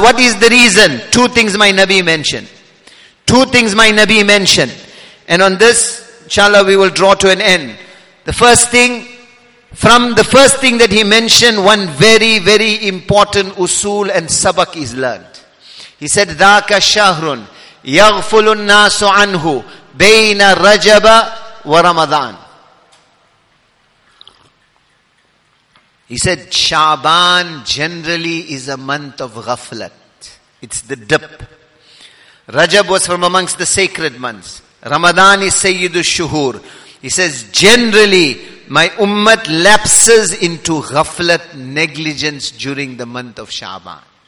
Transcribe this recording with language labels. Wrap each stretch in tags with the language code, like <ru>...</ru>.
<en>What is the reason? Two things my Nabi mentioned. Two things my Nabi mentioned. And on this, inshallah, we will draw to an end. The first thing, from the first thing that he mentioned, one very, very important usul and sabak is learned. He said,</en> <ar>ذَاكَ شَهْرٌ يَغْفُلُ النَّاسُ عَنْهُ بَيْنَ رَجَبَ وَرَمَضَانَ.</ar> <en>He said, Shaban generally is a month of ghaflat. It's the dip. Rajab was from amongst the sacred months. Ramadan is Sayyidu Shuhur. He says, generally, my ummah lapses into ghaflat, negligence during the month of Shaban.</en>